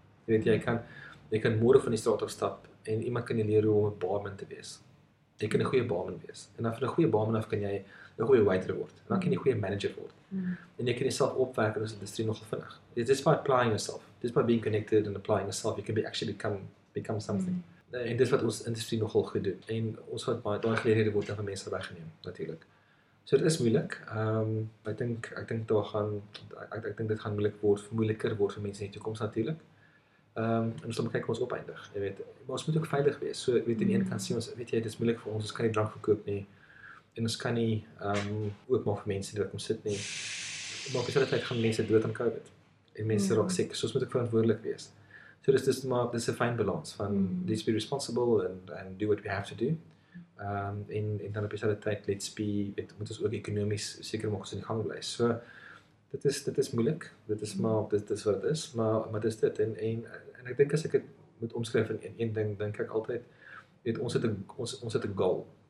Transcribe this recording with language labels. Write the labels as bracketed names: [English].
[Afrikaans] Jy weet jy kan môre van die straat af stap en iemand kan jy leer hoe om 'n barman te wees. Jy kan 'n goeie barman wees. En af van 'n goeie barman af kan jy 'n goeie waiter word. En dan kan jy 'n goeie manager word. En jy kan jouself opwerk in die industrie nogal vinnig. Dit is [English] by applying yourself. [Afrikaans] Dit is [English] by being connected and applying yourself you can actually become something. [Afrikaans] Mm. En dit is wat ons industrie nogal goed doen. En ons gaat baie daai geleerde word van mense weggeneem, natuurlik. So dit is moeilik. Ek dink dit gaan moeilik word, vermoeiliker word vir mense in die toekoms natuurlik. En ons moet kyk hoe ons opeindig. Jy weet, maar ons moet ook veilig wees. So weet aan die ene kant sien ons, weet jy, dit is moeilik vir ons kan nie drank verkoop nie. En ons kan nie ook maar vir mense dit kom sit nie. Maar ek sê dit gaan mense dood aan COVID. En mense raak siek. So ons moet ook verantwoordelik wees. So dis [English] a fine balance van let's be responsible and do what we have to do. [Afrikaans] En dan op die tyd, moet ons ook ekonomies seker maak ons in die gang bly. So dit is moeilik. Dit is wat dit is. Maar dis dit. En ek dink as ek dit moet omskryf in een ding, dink ek altyd, ons het 'n goal.